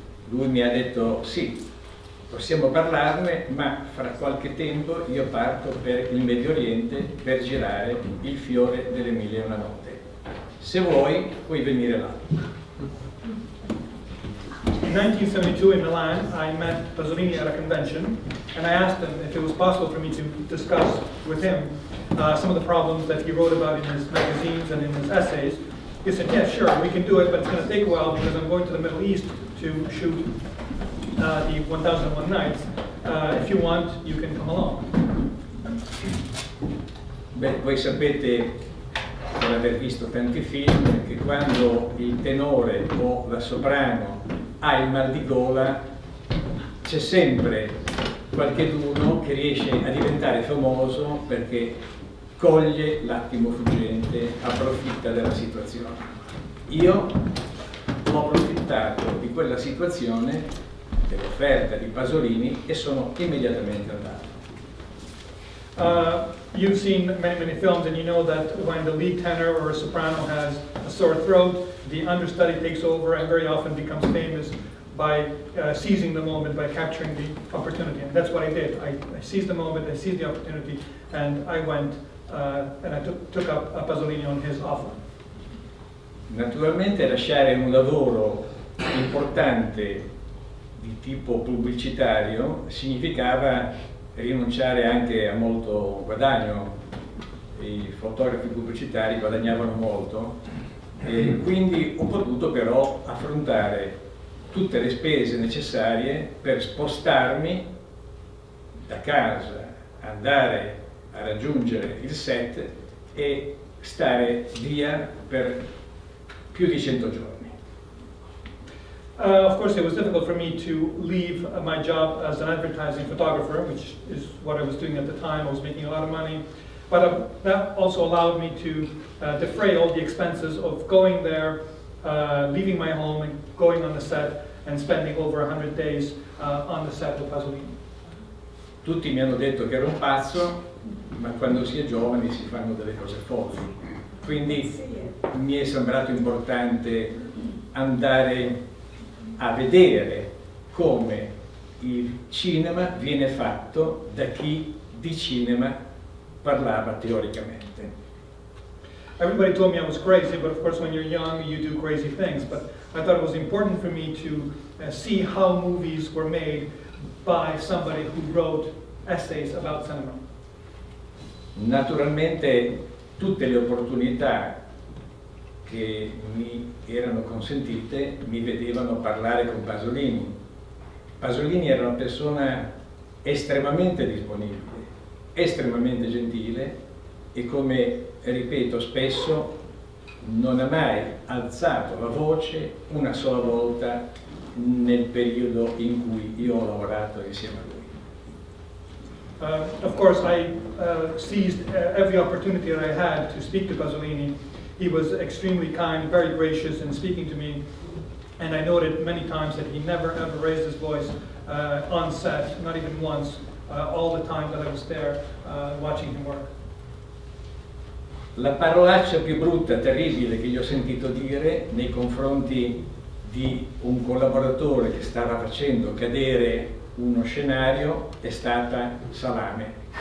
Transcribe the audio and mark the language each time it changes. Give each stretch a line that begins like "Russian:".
Italian: Lui mi ha detto sì, possiamo parlarne, ma fra qualche tempo io parto per il Medio Oriente per girare Il fiore delle mille e una notte. Se vuoi, puoi venire là.
English: In 1972 in Milan, I met Pasolini at a convention, and I asked him if it was possible for me to discuss with him some of the problems that he wrote about in his magazines and in his essays. He said, yeah, sure, we can do it, but it's going to take a while because I'm going to the Middle East to shoot the 1001 Nights. If you want, you can come along.
Italian: Beh, voi sapete, per aver visto tanti film, che quando il tenore o la soprano ha il mal di gola c'è sempre qualcheduno che riesce a diventare famoso perché coglie l'attimo fuggente, approfitta della situazione. Io ho approfittato di quella situazione, dell'offerta di Pasolini, e sono immediatamente andato.
English: You've seen many, many films, and you know that when the lead tenor or a soprano has a sore throat, the understudy takes over and very often becomes famous by seizing the moment, by capturing the opportunity. And that's what I did. I seized the moment, I seized the opportunity, and I went and I took up a Pasolini on his offer.
Italian: Naturalmente lasciare un lavoro importante di tipo pubblicitario significava rinunciare anche a molto guadagno. I fotografi pubblicitari guadagnavano molto e quindi ho potuto però affrontare tutte le spese necessarie per spostarmi da casa, andare a raggiungere il set e stare via per più di 100 giorni.
English: Of course, it was difficult for me to leave my job as an advertising photographer, which is what I was doing at the time. I was making a lot of money, but that also allowed me to defray all the expenses of going there, leaving my home and going on the set and spending over 100 days on the set of Pasolini.
Italian: Tutti mi hanno detto che ero un pazzo, ma quando si è giovani si fanno delle cose folli. Quindi mi è sembrato importante andare a vedere come il cinema viene fatto da chi di cinema parlava teoricamente.
English: Everybody told me I was crazy, but of course when you're young you do crazy things, but I thought it was important for me to see how movies were made by somebody who wrote essays about cinema.
Italian: Naturalmente tutte le opportunità che mi erano consentite mi vedevano parlare con Pasolini. Pasolini era una persona estremamente disponibile, estremamente gentile e, come ripeto spesso, non ha mai alzato la voce una sola volta nel periodo in cui io ho lavorato insieme a lui.
English: Of course, I seized every opportunity that I had to speak to Pasolini. He was extremely kind, very gracious in speaking to me, and I noted many times that he never ever raised his voice on set, not even once, all the time that I was there watching him work.
Italian: La parolaccia più brutta, terribile, che gli ho sentito dire nei confronti di un collaboratore che stava facendo cadere uno scenario è stata salame.